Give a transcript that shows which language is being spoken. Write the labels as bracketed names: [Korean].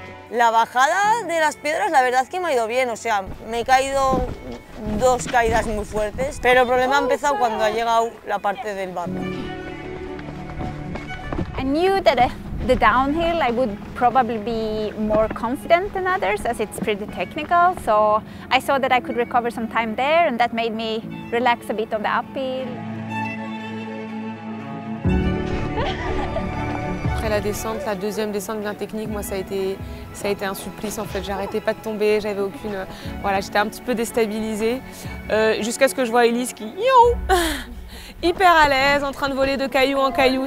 [Spanish] La bajada de las piedras, la verdad es que me ha ido bien, o sea, me he caído dos caídas muy fuertes, pero el problema ha empezado cuando ha llegado la parte del barro. [English] I knew that the downhill I would probably be more confident than others as it's pretty technical, so I saw that I could recover some time there and that made me relax a bit on the uphill. [French] Après la descente, la deuxième descente bien technique, moi ça a été un supplice en fait. J'arrêtais pas de tomber, j'avais aucune. Voilà, j'étais un petit peu déstabilisée. Jusqu'à ce que je vois Elise qui, youhou, hyper à l'aise, en train de voler de caillou en caillou.